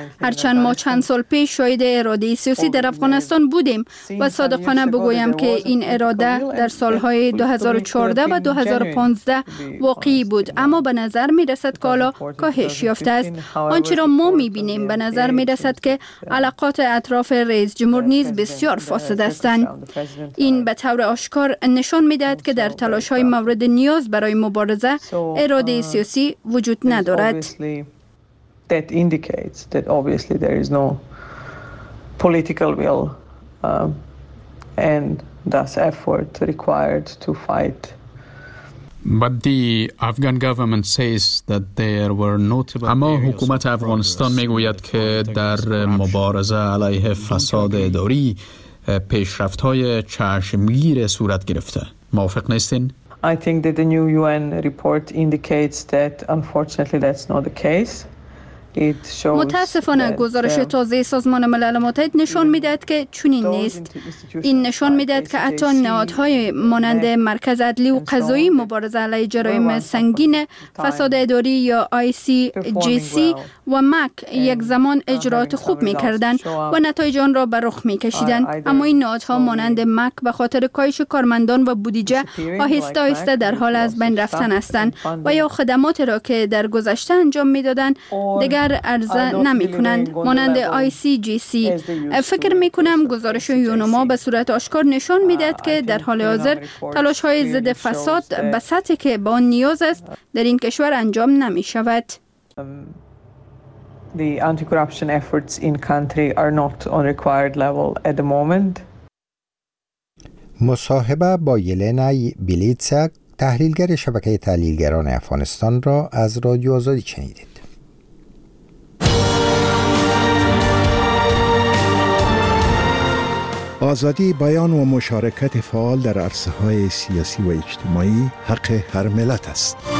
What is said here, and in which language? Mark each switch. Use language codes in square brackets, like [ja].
[fa] هرچند ما چند سال پیش شاهد اراده سیاسی در افغانستان بودیم و صادقانه بگویم که این اراده در سالهای 2014 و 2015 واقعی بود، اما به نظر می رسد که حالا کاهش یافته است. آنچه را ما می بینیم به نظر می رسد که علاقات اطراف رئیس جمهور نیز بسیار فاسد هستند. این به طور آشکار نشان می‌دهد که در تلاش‌های مورد نیاز برای مبارزه اراده سیاسی وجود ندارد. [en] That indicates that obviously there is no political will and thus effort required to fight. But the Afghan government says that there were notable. [fa] اما حکومت افغانستان می‌گوید که در مبارزه علیه فساد اداری پیشرفت های چشمگیر صورت گرفته. موافق نیستین؟ [en] I think that the new UN report indicates that unfortunately that's not the case. [fa] متاسفانه گزارش تازه سازمان ملل متحد نشان میدهد که چنین نیست. این نشان میدهد که حتی نهادهای مانند مرکز عدلی و قضایی مبارزه علیه جرایم سنگین فساد اداری یا ICJC و MAC یک زمان اجرات خوب میکردند و نتایج آن را به رخ میکشیدند، اما این نهادها مانند MAC به خاطر کاهش کارمندان و بودجه آهسته آهسته در حال از بین رفتن هستند و یا خدمات را که در گذشته انجام میدادند اگر عرضه نمی کنند، مانند ICJC. فکر می کنم گزارش یونما به صورت آشکار نشان می دهد که در حال حاضر تلاش های ضد فساد به سطحی که با آن نیاز است در این کشور انجام نمی شود. [en] The anti-corruption efforts in country are not on required level at the moment. [fa] مصاحبه با یلنا بیلیتس تحلیلگر شبکه تحلیلگران افغانستان را از رادیو آزادی شنیدید. آزادی بیان و مشارکت فعال در عرصه‌های سیاسی و اجتماعی حق هر ملت است.